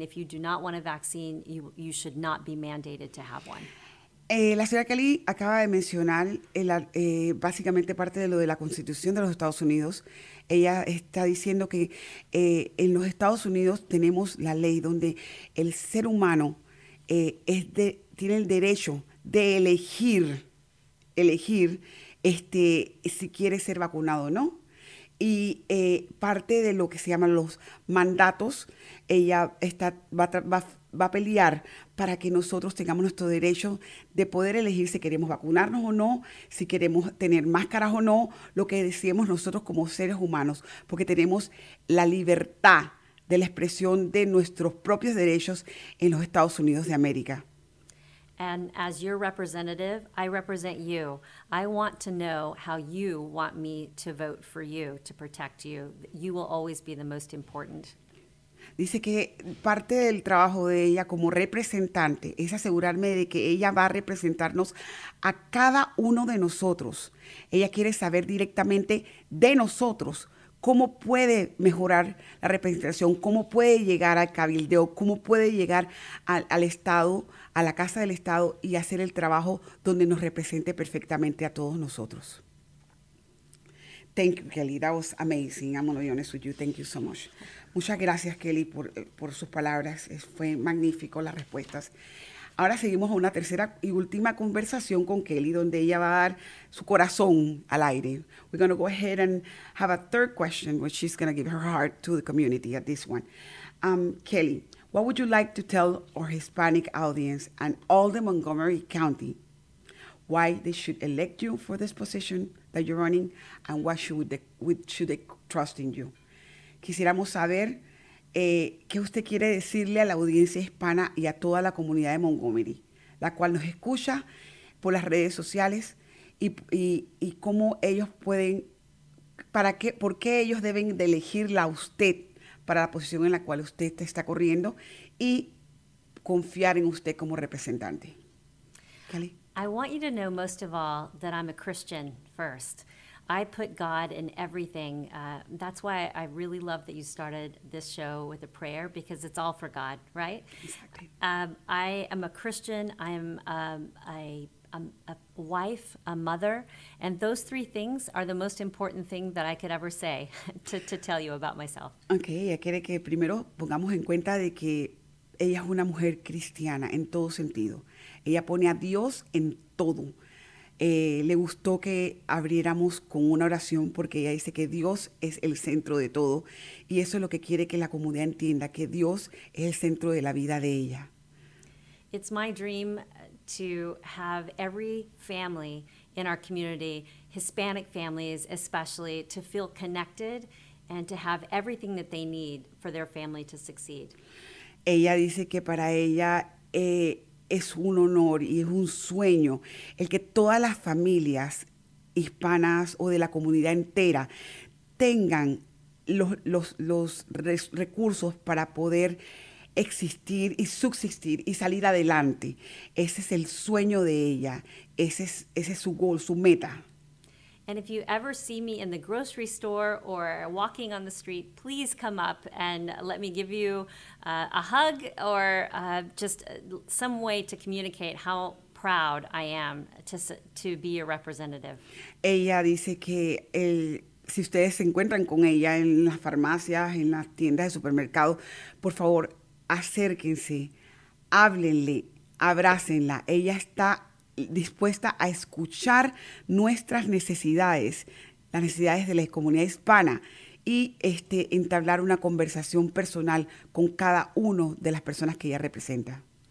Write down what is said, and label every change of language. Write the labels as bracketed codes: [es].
[en] If you do not want a vaccine, you should not be mandated to have one. [es] La señora Kelly acaba de mencionar básicamente parte de lo de la Constitución de los Estados Unidos. Ella está diciendo que en los Estados Unidos tenemos la ley donde el ser humano tiene el derecho de elegir si quiere ser vacunado o no. Y parte de lo que se llaman los mandatos, ella va a pelear para que nosotros tengamos nuestro derecho de poder elegir si queremos vacunarnos o no, si queremos tener máscaras o no, lo que decimos nosotros como seres humanos, porque tenemos la libertad de la expresión de nuestros propios derechos en los Estados Unidos de América. [en] And as your representative, I represent you. I want to know how you want me to vote for you, to protect you. You will always be the most important. [es] Dice que parte del trabajo de ella como representante es asegurarme de que ella va a representarnos a cada uno de nosotros. Ella quiere saber directamente de nosotros cómo puede mejorar la representación, cómo puede llegar al cabildeo, cómo puede llegar al Estado, a la Casa del Estado y hacer el trabajo donde nos represente perfectamente a todos nosotros. [en] Thank you, Kelly. That was amazing. I'm going to be honest with you. Thank you so much. [es] Muchas gracias, Kelly, por sus palabras. Fue magnífico las respuestas. Ahora seguimos a una tercera y última conversación con Kelly, donde ella va a dar su corazón al aire. [en] We're going to go ahead and have a third question, which she's going to give her heart to the community at this one. Kelly, what would you like to tell our Hispanic audience and all the Montgomery County why they should elect you for this position that you're running and what should they trust in you? [es] Quisiéramos saber qué usted quiere decirle a la audiencia hispana y a toda la comunidad de Montgomery, la cual nos escucha por las redes sociales y cómo ellos pueden, por qué ellos deben de elegirla a usted para la posición en la cual usted está corriendo y confiar en usted como representante. Kelly. [en] I want you to know most of all that I'm a Christian first. I put God in everything. That's why I really love that you started this show with a prayer, because it's all for God, right? Exactly. I am a Christian. I am a wife, a mother, and those three things are the most important thing that I could ever say to tell you about myself. [es] Okay, ella quiere que primero pongamos en cuenta de que ella es una mujer cristiana en todo sentido. Ella pone a Dios en todo. Le gustó que abriéramos con una oración porque ella dice que Dios es el centro de todo. Y eso es lo que quiere que la comunidad entienda, que Dios es el centro de la vida de ella. [en] It's my dream to have every family in our community, Hispanic families especially, to feel connected and to have everything that they need for their family to succeed. [es] Ella dice que para ella es un honor y es un sueño el que todas las familias hispanas o de la comunidad entera tengan los recursos para poder existir y subsistir y salir adelante. Ese es el sueño de ella. Ese es su goal, su meta. [en] And if you ever see me in the grocery store or walking on the street, please come up and let me give you a hug or just some way to communicate how proud I am to be your representative. [es] Ella dice que si ustedes se encuentran con ella en las farmacias, en las tiendas de supermercado, por favor, acérquense, háblenle, abrácenla. Ella está dispuesta a escuchar nuestras necesidades, las necesidades de la comunidad hispana y entablar una conversación personal con cada uno de las personas que ella representa.